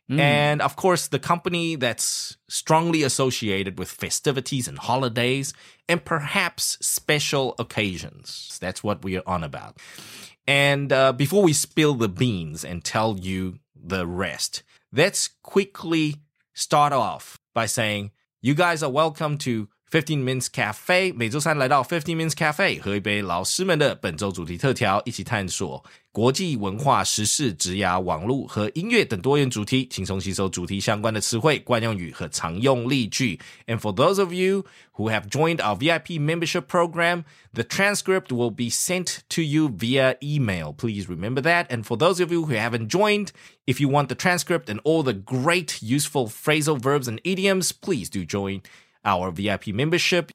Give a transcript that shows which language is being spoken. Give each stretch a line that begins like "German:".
English: And, of course, the company that's strongly associated with festivities and holidays and perhaps special occasions. That's what we are on about. And before we spill the beans and tell you the rest, let's quickly start off by saying you guys are welcome to 15 Minutes Cafe.
Chinese: 每周三来到 15 Minutes Cafe, 喝一杯老师们的本周主题特调，一起探索国际文化时事、职涯、网络和音乐等多元主题，轻松吸收主题相关的词汇、惯用语和常用例句。
English: And for those of you who have joined our VIP membership program, the transcript will be sent to you via email. Please remember that. And for those of you who haven't joined, if you want the transcript and all the great useful phrasal verbs and idioms, please do join our VIP membership.